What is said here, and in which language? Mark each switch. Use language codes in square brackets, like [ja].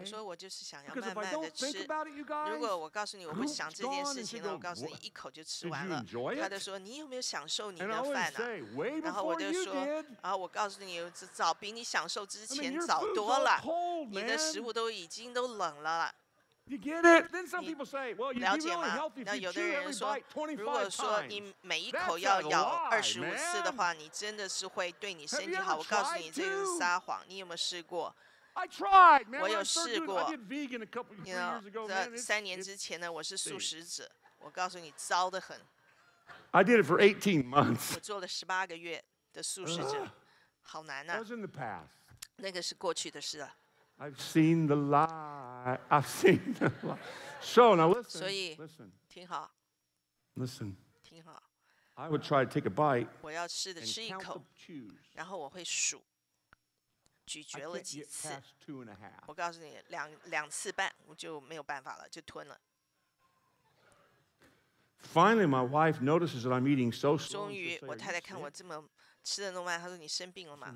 [zh] 我说我就是想要慢慢的吃。 [en] Guys, [zh] 如果我告诉你我不想这件事情了，我告诉你一口就吃完了。他就说你有没有享受你的饭呢、啊？ [en] Say, [zh] 然后我就说啊，我告诉你，早比你享受之前早多了。 [en] I mean, your food's all cold, man. [zh] 你的食物都已经冷了。 [en] You get it? Then some people say, "Well, you'd be really healthy if you chew every bite 25 times." [zh] 如果说你每一口要咬25次的话，你真的是会对你身体好。我告诉你，这是撒谎。你有没有试过？ [en] I tried, man. [zh] 我有试过。 [en] I did vegan a couple of years ago. [zh] 在三年之前呢，我是素食者。我告诉你，糟得很。 [en] I did it for 18 months. [zh] 我做了18个月的素食者，好难呐。 [en] That was in the past. [zh] 那个是过去的事了。 [en] I've seen the lie. So now listen. [zh] 所以 [en] listen. [zh] 听好。 [en] Listen. [zh] 听好。 [en] I would try to take a bite. [zh] 我要试的吃一口。 [en] And count the chews. [zh] 然后我会数，咀嚼了几次。 [en] I can't get past 2.5. [zh] 我告诉你，两次半我就没有办法了，就吞了。 [en] Finally, my wife notices that I'm eating so slow. [zh] 终于，我太太看我这么吃的那么慢，她说你生病了吗？